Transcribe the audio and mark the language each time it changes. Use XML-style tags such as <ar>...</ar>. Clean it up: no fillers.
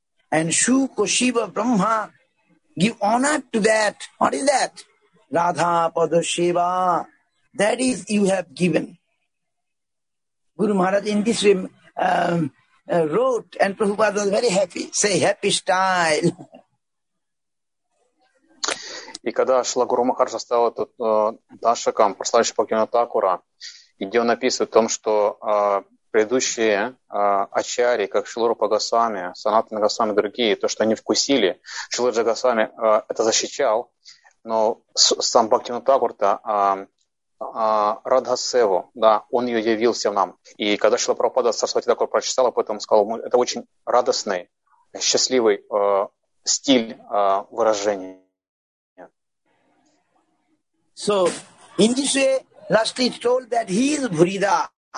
<en>And Shuka Shiva Brahma give honor to that. What is that? Radha Pada Seva, that is you have given. Guru Maharaj in this way wrote, and Prabhupada was very happy, say happy style.</en> <ru>И когда Шрила Гуру Махарадж стал тут дашаком, прославившим Бхактивинода Такура, где он описывает о том, что предыдущие ачарьи, как Шрила Рупа Госвами, Санатана Госвами и другие, то, что они вкусили, Шрила Госвами это защищал, но сам Бхактивинода Такур-то Радхасеву, да, он ее явил всем нам. И когда Шрила Прабхупада Сарасвати Такур прочитал, поэтому сказал, это очень радостный, счастливый стиль выражения.</ru> <en>So, in this way, lastly told that he is Bhurida.</en>